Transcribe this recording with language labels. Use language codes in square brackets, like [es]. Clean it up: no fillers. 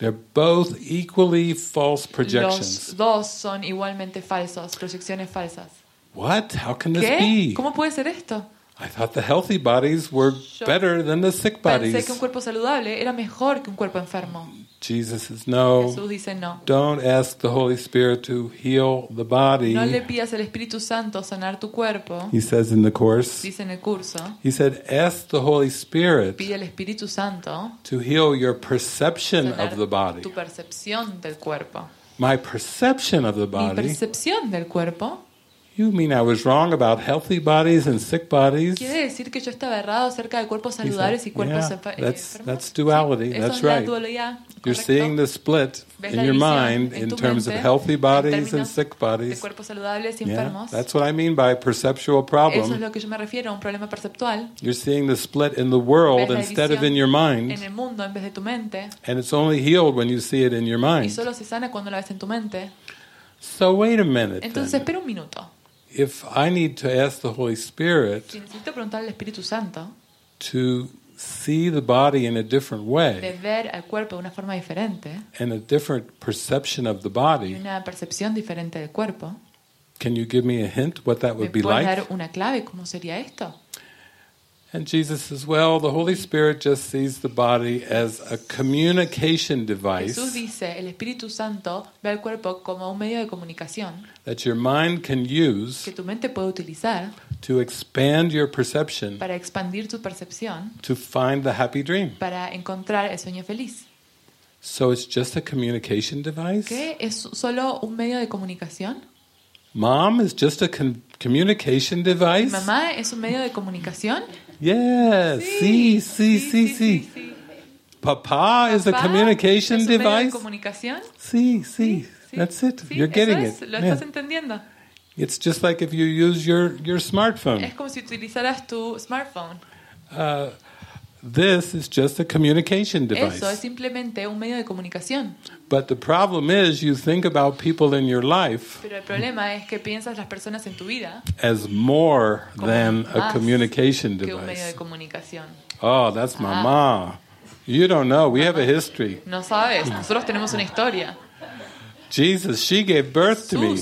[en] They're both equally false projections. [es] Los dos son igualmente falsos, proyecciones falsas. [en] What? How can [es] ¿qué? [en] This be? [es] ¿Cómo puede ser esto? [en] I thought the healthy bodies were [es] yo [en] better than the sick bodies. [es] Pensé que un cuerpo saludable era mejor que un cuerpo enfermo. [en] Jesus says no. [es] Jesús dice no. [en] Don't ask the Holy Spirit to heal the body. [es] No le pidas al Espíritu Santo sanar tu cuerpo. [en] He says in the course. [es] Dice en el curso. [en] He said, ask the Holy Spirit. [es] Pide al Espíritu Santo. [en] To heal your perception of the body. [es] Tu percepción del cuerpo. [en] My perception of the body. [es] Mi percepción del cuerpo. [en] You mean I was wrong about healthy bodies and sick bodies? [es] ¿Quiere decir que yo estaba errado acerca de cuerpos saludables y cuerpos enfermos? [en] That's duality. [es] Sí, [en] that's right. [es] Correcto. [en] You're seeing the split in your mind in terms of healthy bodies and sick bodies. [es] De cuerpos saludables y enfermos. [en] Yeah, that's what I mean by perceptual problem. [es] Eso es lo que yo me refiero, un problema perceptual. [en] You're seeing the split in the world instead of in your mind. [es] En el mundo en vez de tu mente. [en] And it's only healed when you see it in your mind. [es] Y solo se sana cuando la ves en tu mente. [en] So wait a minute. [es] Entonces [en] then. [es] Espera un minuto. [en] If I need to ask the Holy Spirit [es] Santo [en] to see the body in a different way, [es] de ver al cuerpo de una forma diferente, [en] and a different perception of the body, [es] y una percepción diferente del cuerpo, [en] can you give me a hint what that would [es] ¿me [en] be like? [es] Dar una clave cómo sería esto? [en] And Jesus says, well, the Holy Spirit just sees the body as a communication device. [es] Jesús dice, el Espíritu Santo ve al cuerpo como un medio de comunicación [en] that your mind can use, [es] que tu mente puede utilizar, [en] to expand your perception, [es] para expandir tu percepción, [en] to find the happy dream, [es] para encontrar el sueño feliz. [en] So it's just a communication device? [es] ¿Qué? ¿Es solo un medio de comunicación? [en] Mom is just a communication device? [es] ¿Mamá es un medio de comunicación? [en] Yes, sí. Papá is a communication device? [es] ¿Es un medio de comunicación? [en] Sí. That's it. [es] Sí, [en] you're getting [es] es. [en] It. [es] Lo estás entendiendo. [en] It's just like if you use your smartphone. [es] Es como si utilizaras tu smartphone. [en] This is just a communication device. [es] Eso es simplemente un medio de comunicación. [en] But the problem is you think about people in your life [es] pero el problema es que piensas las personas en tu vida [en] as more than a communication device. [es] Que un medio de comunicación. [en] Oh, that's my mom. You don't know. We have a history. [es] No sabes. Nosotros tenemos una historia. [en] Jesus, she gave birth to me.